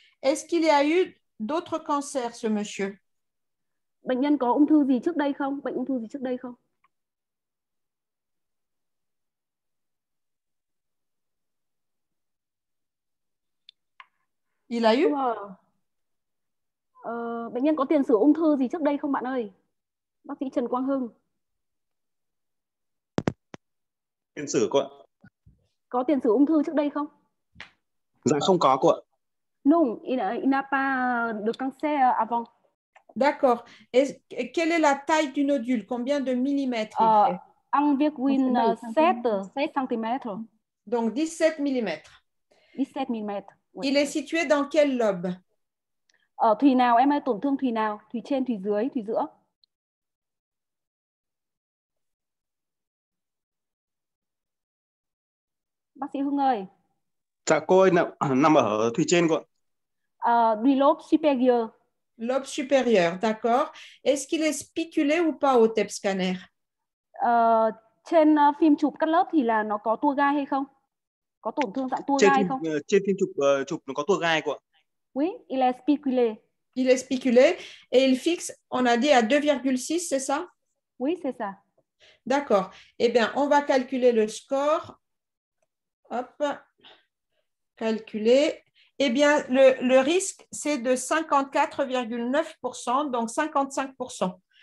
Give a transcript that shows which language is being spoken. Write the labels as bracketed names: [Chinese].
[French] Est-ce qu'il y a eu d'autres cancers, ce monsieur? [Vietnamese] Bệnh nhân có ung thư gì trước đây không? Bệnh ung thư gì trước đây không? [French] Il a eu? [Vietnamese] Bệnh nhân có tiền sử ung thư gì trước đây không bạn ơi? Bác sĩ Trần Quang Hưng. Tiền sử cô ạ. Có tiền sử ung thư trước đây không? Dạ không có cô ạ. [French] Non, il n'a pas de cancer avant. D'accord. Quelle est la taille du nodule? Combien de millimètres? Environ 7 cm. Donc 17 millimètres. 17 millimètres. Il est situé dans quel lobe? [Vietnamese] Ở thùy nào em ơi, tổn thương thùy nào, thùy trên, thùy dưới, thùy giữa. Bác sĩ Hưng ơi. Dạ cô ơi, nằm ở thùy trên cô. [French] Du lobe supérieur. Lobe supérieur, d'accord. Est-ce qu'il est spiculé ou pas au TEP scanner? [Vietnamese] Trên phim chụp cắt lớp thì là nó có tua gai hay không? Có tổn thương dạng tua trên gai phim, không? Trên phim chụp chụp nó có tua gai cô ạ. [French] Oui, il est spiculé. Il est spiculé et il fixe, on a dit, à 2,6, c'est ça? Oui, c'est ça. D'accord. Eh bien, on va calculer le score. Hop. Calculer. Eh bien, le risque, c'est de 54,9%, donc 55%.